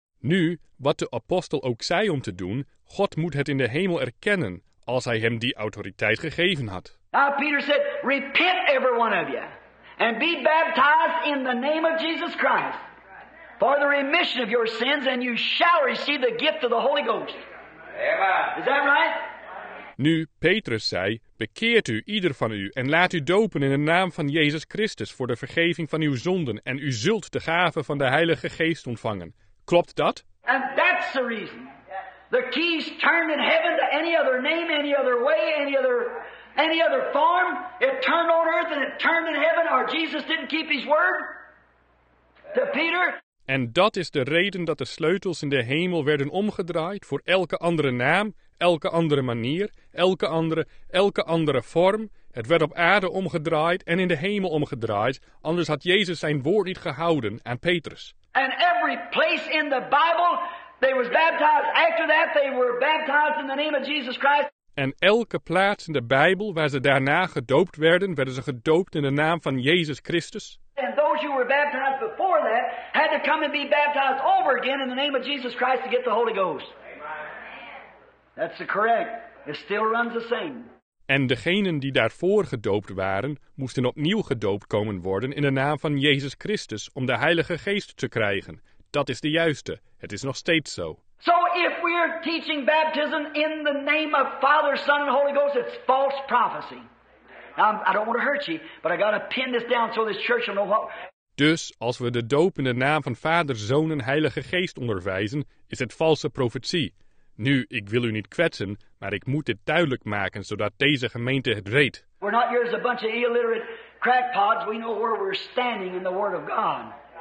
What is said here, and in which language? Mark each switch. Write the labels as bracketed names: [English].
[Dutch] Nu, wat de apostel ook zei om te doen, God moet het in de hemel erkennen als hij hem die autoriteit gegeven had. [English] Now Peter said, repent every one of you and be baptized in the name of Jesus Christ for the remission of your sins and you shall receive the gift of the Holy Ghost. Amen. Is that right? [Dutch] Nu, Petrus zei, bekeert u ieder van u en laat u dopen in de naam van Jezus Christus voor de vergeving van uw zonden en u zult de gave van de Heilige Geest ontvangen. Klopt dat? [English] And that's the reason. The keys turned in heaven to any other name, any other way, any other form. It turned on earth and it turned in heaven, or Jesus didn't keep his word to Peter. [Dutch] En dat is de reden dat de sleutels in de hemel werden omgedraaid voor elke andere naam, elke andere manier, elke andere vorm. Het werd op aarde omgedraaid en in de hemel omgedraaid, anders had Jezus zijn woord niet gehouden aan Petrus. [English] And every place in the Bible, they was baptized. After that, they were baptized in the name of Jesus Christ. [Dutch] En elke plaats in de Bijbel waar ze daarna gedoopt werden, werden ze gedoopt in de naam van Jezus Christus. [English] And those who were baptized before that had to come and be baptized over again in the name of Jesus Christ to get the Holy Ghost. Amen. That's correct. It still runs the same. [Dutch] En degenen die daarvoor gedoopt waren, moesten opnieuw gedoopt komen worden in de naam van Jezus Christus om de Heilige Geest te krijgen. Dat is de juiste. Het is nog steeds zo. [English] So if we are teaching baptism in the name of Father, Son and Holy Ghost, it's false prophecy. Now, I don't want to hurt you, but I got to pin this down so this church will know what... [Dutch] Dus als we de doop in de naam van Vader, Zoon en Heilige Geest onderwijzen, is het valse profetie. Nu, ik wil u niet kwetsen, maar ik moet dit duidelijk maken, zodat deze gemeente het weet. [English] We're not here as a bunch of illiterate crackpots. We know where we're standing in the Word of God.